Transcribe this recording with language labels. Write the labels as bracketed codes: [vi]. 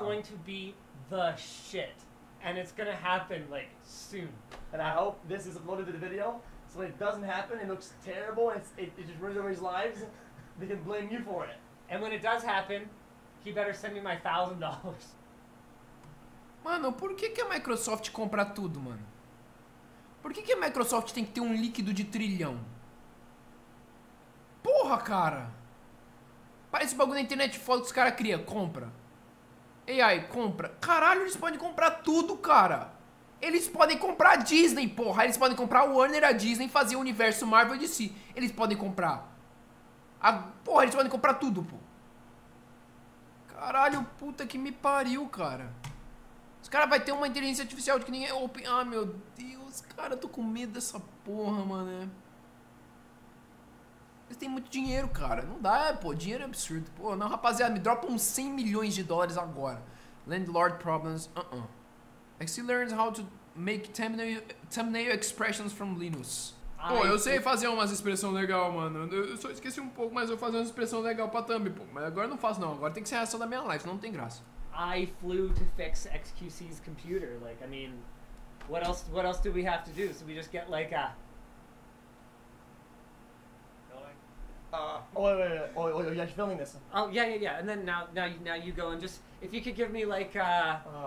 [en] going to be the shit, and it's gonna happen like soon. And I hope this is uploaded to the video, so when it doesn't happen, it looks terrible, and it just ruins everybody's lives. They can blame you for it. And when it does happen, he better send me my $1,000. [pt] Mano, por que a Microsoft compra tudo, mano? Por que a Microsoft tem que ter líquido de trilhão? Porra, cara! Parece bagulho na internet foda que os caras criam, compra. AI, compra. Caralho, eles podem comprar tudo, cara. Eles podem comprar a Disney, porra. Eles podem comprar a Warner, a Disney, fazer o universo Marvel DC. Eles podem comprar. Porra, eles podem comprar tudo, pô. Caralho, puta que me pariu, cara. Os caras vão ter uma inteligência artificial de que ninguém... Ah, meu Deus, cara, eu tô com medo dessa porra, mané. Eles têm muito dinheiro, cara. Não dá, pô. Dinheiro é absurdo. Pô, não, rapaziada. Me dropa uns $100 milhões agora. [en] Landlord problems. XC learns how to make thumbnail expressions from Linus. [pt] Pô, eu sei fazer umas expressões legal, mano. Eu só esqueci um pouco, mas eu fazia umas expressões legal pra thumb, pô. Mas agora não faço, não. Agora tem que ser a reação da minha life. Não tem graça. [en] I flew to fix XQC's computer. Like, I mean, what else do we have to do? So we just get, like, a... Oh, you're filming this. Oh, yeah. And then now you go and just, if you could give me like a...